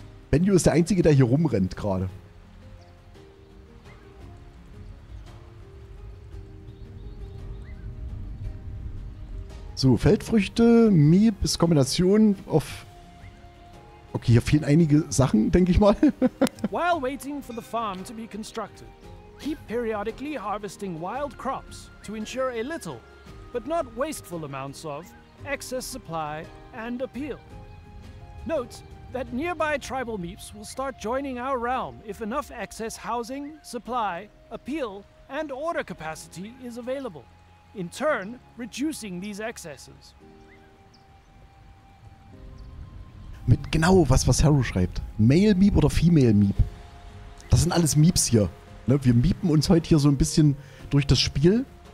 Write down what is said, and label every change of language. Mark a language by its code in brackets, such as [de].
[de] Benjo ist der Einzige, der hier rumrennt gerade. So, Feldfrüchte, Mieb ist Kombination auf... Okay, hier fehlen einige Sachen, denke ich mal. [en] While waiting for the farm to be constructed, keep periodically harvesting wild crops to ensure a little, but not wasteful amounts of, excess supply and appeal. Note, that nearby tribal meeps will start joining our realm if enough excess housing, supply, appeal, and order capacity is available, in turn reducing these excesses. [de] Mit genau was Harrow schreibt. Male Meep oder Female Meep. Das sind alles Meeps hier. Ne, wir meepen uns heute hier so ein bisschen durch das Spiel.